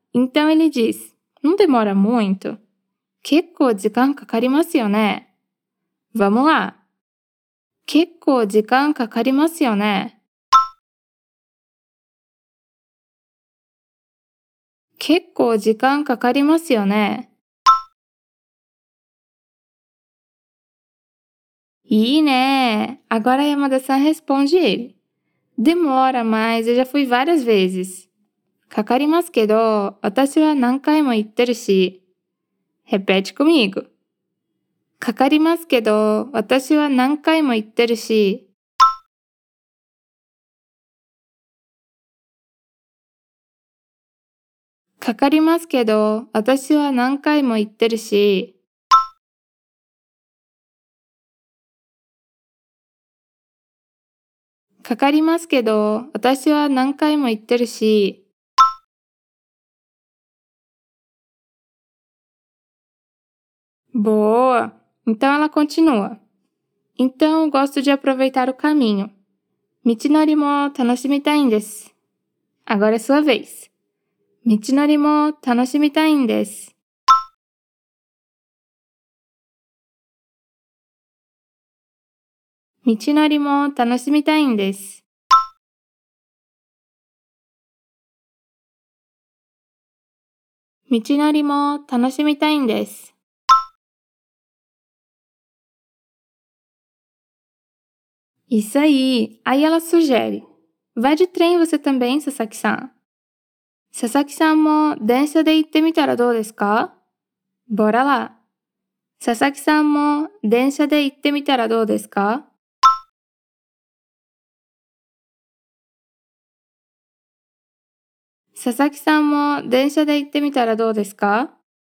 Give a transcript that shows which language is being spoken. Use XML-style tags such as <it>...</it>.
<pt>Então ele diz, não demora muito?</pt> <ja>結構時間かかりますよね?</ja> <pt>Vamos lá!</pt> <ja>結構時間かかりますよね? 結構時間かかりますよね。いいね。</ja> <pt>Agora Yamada-san responde ele. Demora, mas eu já fui várias vezes.</pt> <ja>かかりますけど、私は何回も行ってるし。</ja> <pt>Repete comigo.</pt> <ja>かかりますけど、私は何回も行ってるし。かかりますけど、私は何回も行ってるし。かかりますけど、私は何回も行ってるし。</ja> <pt>Boa! Então ela continua. Então gosto de aproveitar o caminho.</pt> <ja>道のりも楽しみたいんです。</ja> <pt>Agora é sua vez.</pt> <ja>道のりも楽しみたいんです。道のりも楽しみたいんです。道のりも楽しみたいんです。</ja> <pt>Isso aí! Aí ela sugere. Vai de trem você também, Sasaki-san?</pt> <ja>Sasaki-san も電車で行ってみたらどうですか?</ja> <pt>Bora lá!</pt> <ja>佐々木さんも電車で行ってみたらどうですか？佐々木さんも電車で行ってみたらどうですか？</ja>